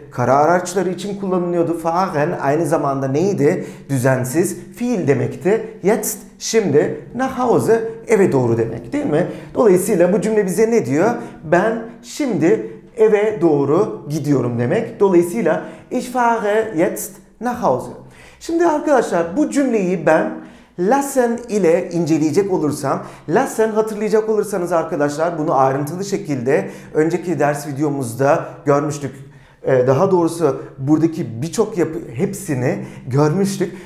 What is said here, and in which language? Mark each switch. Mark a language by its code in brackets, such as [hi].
[tr] Kara araçları için kullanılıyordu. Fahren aynı zamanda neydi? Düzensiz fiil demekti. Jetzt şimdi [de] nach Hause [tr] eve doğru demek değil mi? Dolayısıyla bu cümle bize ne diyor? Ben şimdi eve doğru gidiyorum demek. Dolayısıyla [de] Ich fahre jetzt nach Hause. [tr] Şimdi arkadaşlar bu cümleyi ben lassen ile inceleyecek olursam, lassen hatırlayacak olursanız arkadaşlar bunu ayrıntılı şekilde önceki ders videomuzda görmüştük. Daha doğrusu buradaki birçok yapı hepsini görmüştük.